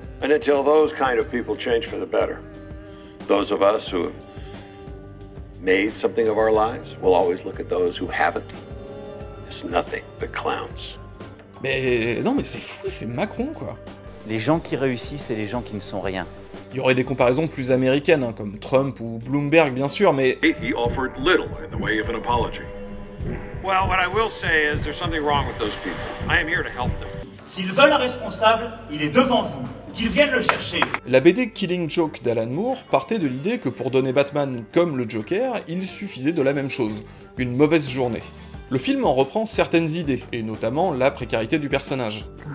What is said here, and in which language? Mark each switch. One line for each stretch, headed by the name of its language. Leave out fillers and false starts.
English: And until those kind of people change for the better, those of us who have made something of our lives will always look at those who haven't as nothing but clowns.
French: Mais non, mais c'est fou, c'est Macron, quoi. Les gens qui réussissent, c'est les gens qui ne sont rien. Il y aurait des comparaisons plus américaines, hein, comme Trump ou Bloomberg, bien sûr, mais...
English: He offered little in the way of an apology. Well, what I will say is there's something wrong with those people. I am here to help them.
French: S'ils veulent un responsable, il est devant vous. La BD Killing Joke d'Alan Moore partait de l'idée que pour donner Batman comme le Joker, il suffisait de la même chose, une mauvaise journée. Le film en reprend certaines idées, et notamment la précarité du personnage.